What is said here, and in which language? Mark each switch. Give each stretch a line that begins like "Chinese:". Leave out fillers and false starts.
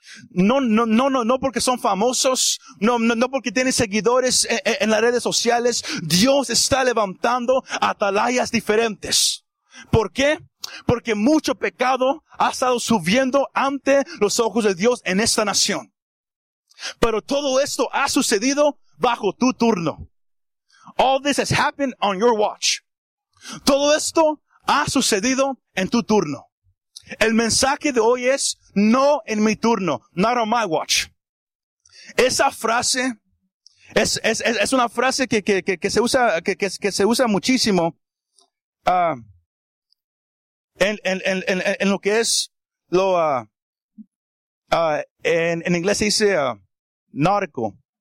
Spanish: No porque son famosos, no porque tienen seguidores en las redes sociales. Dios está levantando atalayas diferentes. ¿Por qué? Porque mucho pecado ha estado subiendo ante los ojos de Dios en esta nación. Pero todo esto ha sucedido bajo tu turno.
English: All this has happened on your watch.
Spanish: Todo esto ha sucedido en tu turno. El mensaje de hoy es, no en mi turno,
English: not on my watch.
Spanish: Esa frase es una frase que se usa muchísimo en lo que es lo en inglés se dice nautical.